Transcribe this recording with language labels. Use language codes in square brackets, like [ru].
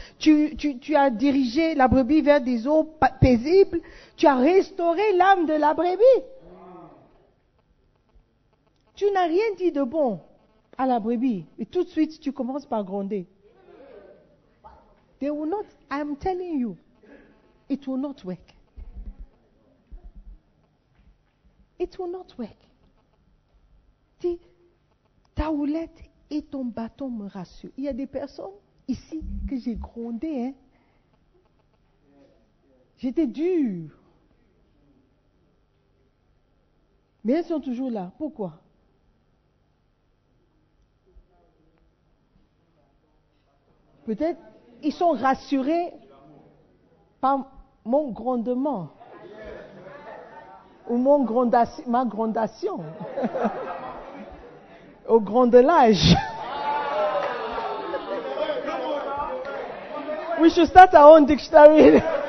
[fr] Tu as dirigé la brebis vers des eaux paisibles. Tu as restauré l'âme de la brebis. Tu n'as rien dit de bon à la brebis. Et tout de suite, tu commences par gronder. [en] They will not, I'm telling you, it will not work. It will not work. [fr] Si ta houlette et ton bâton me rassurent. Il y a des personnes ici que j'ai grondé. Hein? J'étais dure. Mais elles sont toujours là. Pourquoi? Peut-être. Ils sont rassurés par mon grondement. ou mon grandation, ma grandation au grand de l'âge. [en] We should start our own dictionary.